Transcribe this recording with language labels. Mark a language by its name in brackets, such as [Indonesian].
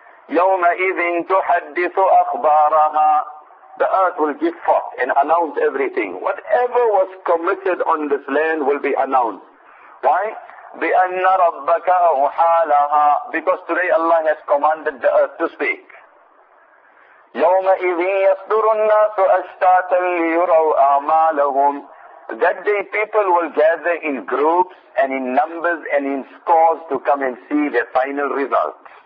[Arabic] يَوْمَئِذٍ تُحَدِّثُ أَخْبَارَهَا. [English] The earth will give forth and announce everything. Whatever was committed on this land will be announced. Why? [Arabic] بِأَنَّ رَبَّكَ أَوْحَالَهَا. [English] Because today Allah has commanded the earth to speak. [Arabic] يومئذ يصدر الناس أشتاتا ليروا أعمالهم. [English] That day people will gather in groups and in numbers and in scores to come and see their final results.